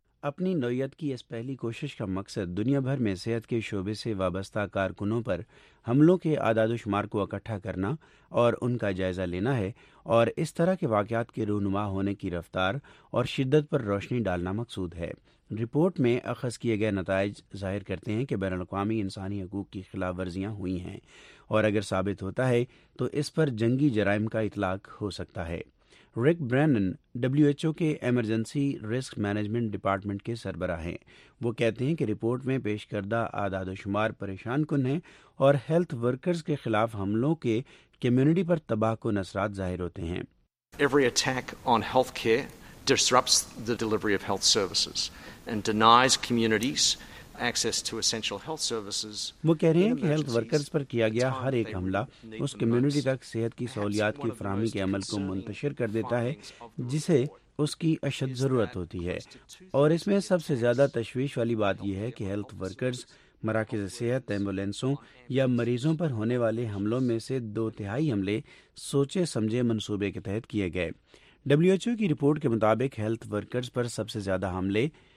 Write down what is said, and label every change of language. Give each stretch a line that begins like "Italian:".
Urdu: اپنی نوعیت کی اس پہلی کوشش کا مقصد دنیا بھر میں صحت کے شعبے سے وابستہ کارکنوں پر حملوں کے اعداد و شمار کو اکٹھا کرنا اور ان کا جائزہ لینا ہے، اور اس طرح کے واقعات کے رونما ہونے کی رفتار اور شدت پر روشنی ڈالنا مقصود ہے۔ رپورٹ میں اخذ کیے گئے نتائج ظاہر کرتے ہیں کہ بین الاقوامی انسانی حقوق کی خلاف ورزیاں ہوئی ہیں، اور اگر ثابت ہوتا ہے تو اس پر جنگی جرائم کا اطلاق ہو سکتا ہے۔ رک برینن ڈبلیو ایچ او کے ایمرجنسی رسک مینجمنٹ ڈپارٹمنٹ کے سربراہ ہیں۔ وہ کہتے ہیں کہ رپورٹ میں پیش کردہ اعداد و شمار پریشان کن ہیں، اور ہیلتھ ورکرز کے خلاف حملوں کے کمیونٹی پر تباہ کن اثرات ظاہر ہوتے ہیں۔
English: Every attack on healthcare disrupts the delivery of health services and denies communities access to essential health services.
Urdu: وہ کہہ رہے ہیں کہ ہیلتھ ورکرز پر کیا گیا ہر ایک حملہ اس کمیونٹی تک صحت کی سہولیات کی فراہمی کے عمل کو منتشر کر دیتا ہے جسے اس کی اشد ضرورت ہوتی ہے، اور اس میں سب سے زیادہ تشویش والی بات یہ ہے کہ ہیلتھ ورکرز مراکز صحت، ایمبولینسوں یا مریضوں پر ہونے والے حملوں میں سے دو تہائی حملے سوچے سمجھے منصوبے کے تحت کیے گئے۔ ڈبلیو ایچ او کی رپورٹ کے مطابق ہیلتھ ورکرز پر سب سے زیادہ حملے